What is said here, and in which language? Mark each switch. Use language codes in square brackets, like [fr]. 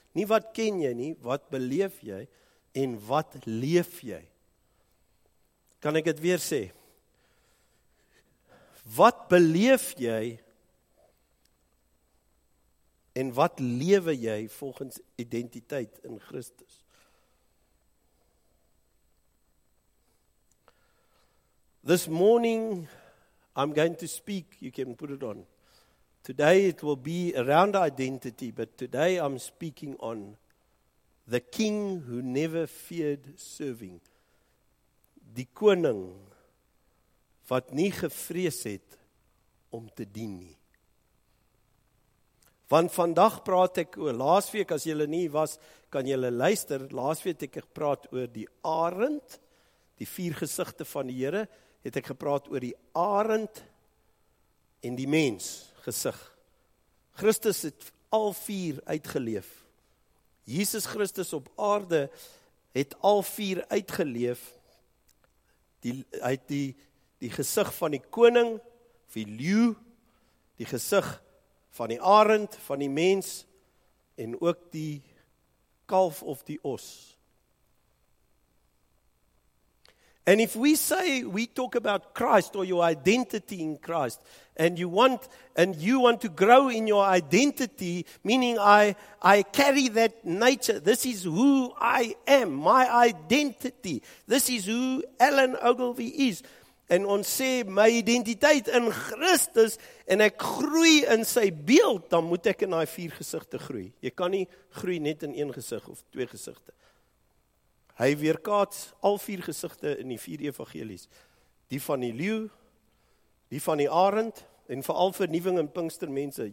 [af] Nie wat ken jy nie, wat beleef jy en wat leef jy? Kan ek dit weer sê? Wat beleef jy en wat lewe jy volgens identiteit in Christus? [en] This morning, I'm going to speak, you can put it on. Today it will be around identity, but today I'm speaking on the king who never feared serving. [af] Die koning wat nie gevrees het om te dien nie. Want vandag praat ek oor, laasweek as julle nie was, kan julle luister, laasweek het ek gepraat oor die arend, die vier gesigte van die Here, het ek gepraat oor die arend en die mens gesig. Christus het al vier uitgeleef. Jesus Christus op aarde het al vier uitgeleef. Hy het die gesig van die koning, of die leeu, die gesig van die arend, van die mens, en ook die kalf of die os. [en] And if we say, we talk about Christ or your identity in Christ, and you want to grow in your identity, meaning I carry that nature, this is who I am, my identity, this is who Alan Ogilvie is. [af] En ons sê, my identiteit in Christus, en ek groei in sy beeld, dan moet ek in die vier gesigte groei. Jy kan nie groei net in een gesig of twee gesigte. Hy weerkaats al vier gesigte in die vier evangelies. Die van die leeu, die van die arend, en veral vernuwing in Pinkster mense.